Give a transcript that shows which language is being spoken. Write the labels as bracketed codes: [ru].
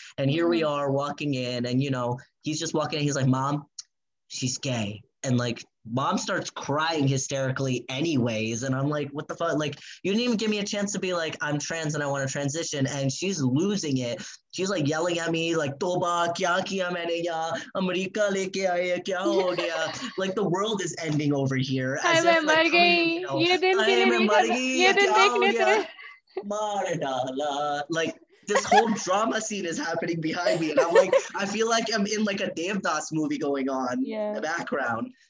[en] And here we are walking in, and, you know, he's just walking in. He's like, mom, she's gay. And like, mom starts crying hysterically anyways. And I'm like, what the fuck? Like, you didn't even give me a chance to be like, I'm trans and I want to transition. And she's losing it. She's like yelling at me like, [hi] तोबा, क्या किया मैंने या? America लेके आया, क्या हो गया? [en] Like, the world is ending over here. As I'm like, like, this whole drama scene is happening behind me. And I'm like, I feel like I'm in like a Devdas movie going on in the background.